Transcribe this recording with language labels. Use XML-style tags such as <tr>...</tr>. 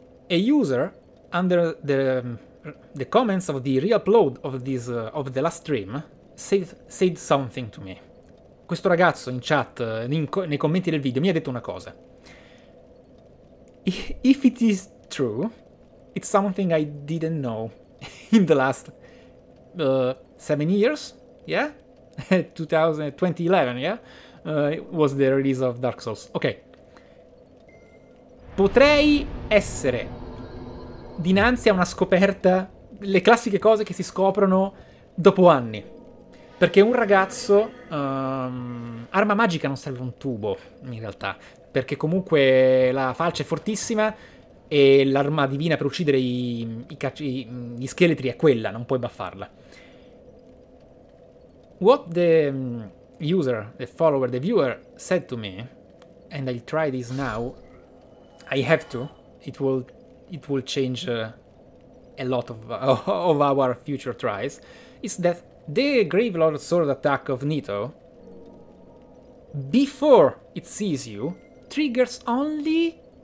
<en>A user under the comments of the re-upload of this of the last stream said something to me.</en> <it>Questo ragazzo in chat, nei commenti del video, mi ha detto una cosa.</it> <en>If it is true. It's something I didn't know in the last 7 years, yeah? 2011, yeah? Was the release of Dark Souls. Ok.</en> <it>Potrei essere dinanzi a una scoperta, le classiche cose che si scoprono dopo anni. Perché un ragazzo. Arma magica non serve un tubo, in realtà. Perché comunque la falce è fortissima. E l'arma divina per uccidere gli scheletri è quella, non puoi buffarla.</it> <en>What the user, the follower, the viewer said to me, and I'll try this now, I have to, it will change a lot of our future tries, is that the Gravelord sword attack of Nito, before it sees you, triggers only.</en>